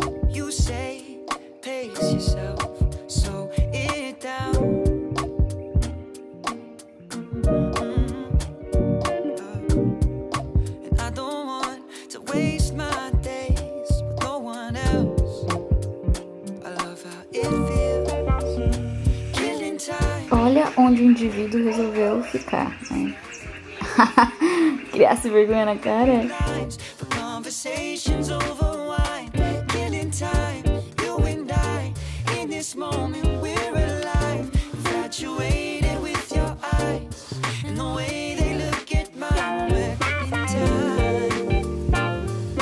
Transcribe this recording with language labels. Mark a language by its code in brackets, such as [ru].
[en] You say, pace yourself, slow it down. And I don't want to waste my days with no one else. I love how it feels. Killing time. [pt] Olha onde o indivíduo resolveu ficar, né? Criasse vergonha na cara. [en] Conversations over wine, killing time, you and I, in this moment we're alive, infatuated with your eyes, and the way they look at my back in time.